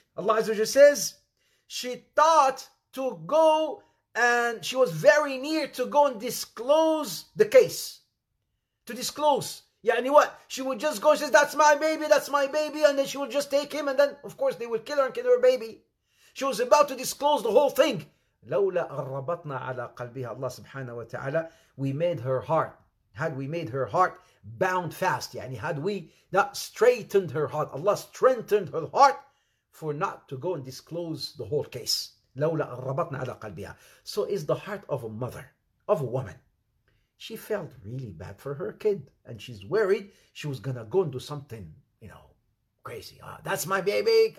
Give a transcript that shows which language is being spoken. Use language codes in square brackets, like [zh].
[en] Allah عز وجل says she thought to go and she was very near to go and disclose the case. To disclose. يعني what? She would just go and says that's my baby, that's my baby, and then she would just take him, and then of course they would kill her and kill her baby. She was about to disclose the whole thing. [ar] لولا أربطنا على قلبها. Allah سبحانه وتعالى, [en] we made her heart had we made her heart bound fast, yani had we not straightened her heart, Allah strengthened her heart for not to go and disclose the whole case. [ar] لولا ربطنا على قلبها. [en] So is the heart of a mother, of a woman. She felt really bad for her kid, and she's worried she was gonna go and do something, you know, crazy. That's my baby.